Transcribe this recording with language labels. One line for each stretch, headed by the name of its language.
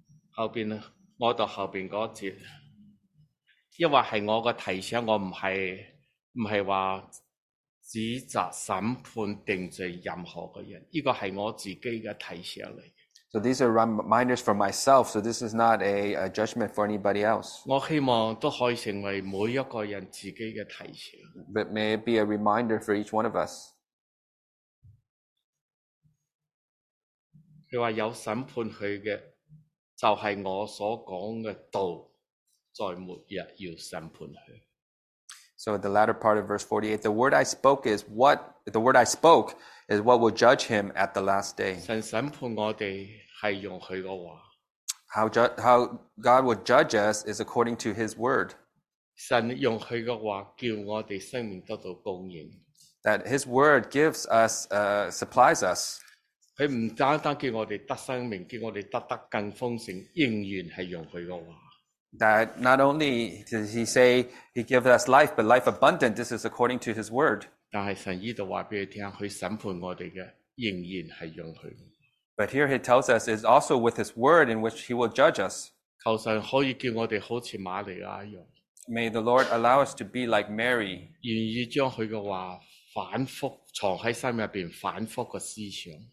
Chinese: 后面我读后面那节因为是我的提醒我不是说指责审判定罪任何的人这个是我自己的提醒来的
English: So these are reminders for myself, so this is not a judgment for anybody else.
Chinese: 我希望都可以成为每一个人自己的提醒。
English: But may it be a reminder for each one of us.
Chinese: 他说有审判他的就是我所讲的道在末日要审判他。
English: So the latter part of verse 48, the word I spoke is what will judge him at the last day.
Chinese: 神审判我们是用他的话。
English: How God will judge us is according to his word.
Chinese: 神用祂的话叫我们生命得到供应。
English: That His word gives us, supplies us.
Chinese: 祂不单单叫我们得生命，叫我们得得更丰盛，应验是用祂的话。
English: That not only does He say He gives us life, but life abundant, this is according to His word.
Chinese: 但是神这里告诉祂，祂审判我们的应验是用祂。
English: But here He tells us it's also with His word in which He will judge us.
Chinese: 求神可以叫我们好像玛利亚一样。
English: May the Lord allow us to be like Mary.
Chinese: 愿意将祂的话反复藏在心里面，反复的思想。